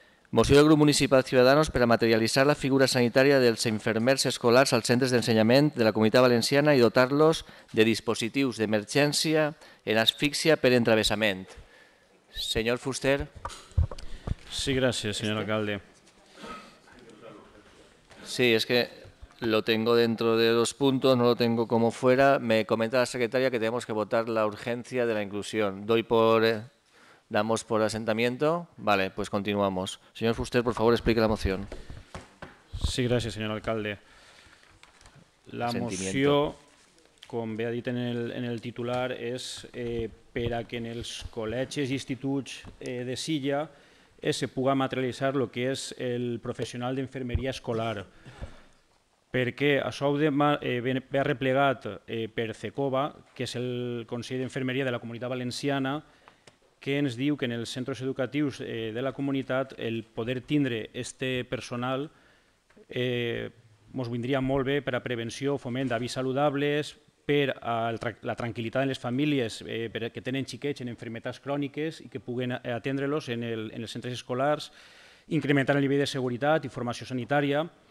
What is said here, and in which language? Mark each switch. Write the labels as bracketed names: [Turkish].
[Catalan] Moció del grup municipal Ciudadanos per a materialitzar la figura sanitària dels infermers escolars als centres d'ensenyament de la Comunitat Valenciana i dotar-los de dispositius d'emergència en asfíxia per entravessament. Senyor Fuster. Sí, gràcies, senyor alcalde. [Spanish] Sí, és que lo tengo dentro de dos puntos, no lo tengo como fuera. Me comenta la secretaria que tenemos que votar la urgencia de la inclusión. ¿Damos por asentamiento? Vale, pues continuamos. Señor Fuster, por favor, explique la moción. Sí, gracias, señor alcalde. [Catalan] La moció, com bé ha dit en el titular, és per a que en els col·legis i instituts de Silla se puga materialitzar el que és el professional d'infermeria escolar. Perquè això ve replegat per CECOVA, que és el Consell d'Infermeria de la Comunitat Valenciana, que ens diu que en els centres educatius de la comunitat el poder tindre aquest personal ens vindria molt bé per a prevenció, foment d'avis saludables, per a la tranquil·litat en les famílies que tenen xiquets en malalties cròniques i que puguen atendre-los en els centres escolars, incrementar el nivell de seguretat i formació sanitària.